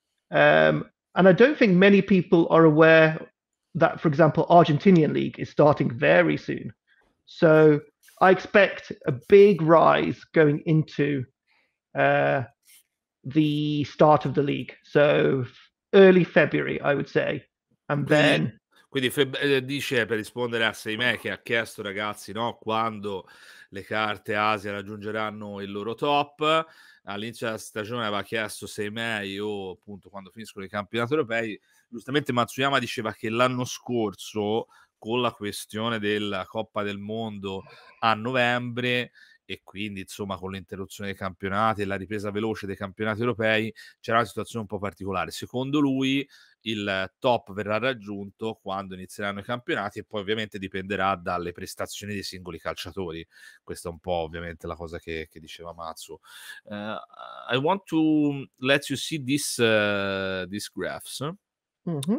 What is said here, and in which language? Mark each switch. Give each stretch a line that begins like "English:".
English: And I don't think many people are aware that, for example, Argentinian League is starting very soon. So I expect a big rise going into the start of the league. So early February, I would say. And then...
Italian: Quindi dice, per rispondere a Seimei che ha chiesto, ragazzi, no, quando le carte Asia raggiungeranno il loro top, all'inizio della stagione aveva chiesto Seimei o appunto quando finiscono i campionati europei, giustamente Matsuyama diceva che l'anno scorso con la questione della Coppa del Mondo a novembre e quindi insomma con l'interruzione dei campionati e la ripresa veloce dei campionati europei c'era una situazione un po' particolare. Secondo lui il top verrà raggiunto quando inizieranno i campionati e poi ovviamente dipenderà dalle prestazioni dei singoli calciatori. Questa è un po' ovviamente la cosa che diceva Matsu.
English: I want to let you see these graphs, mm-hmm.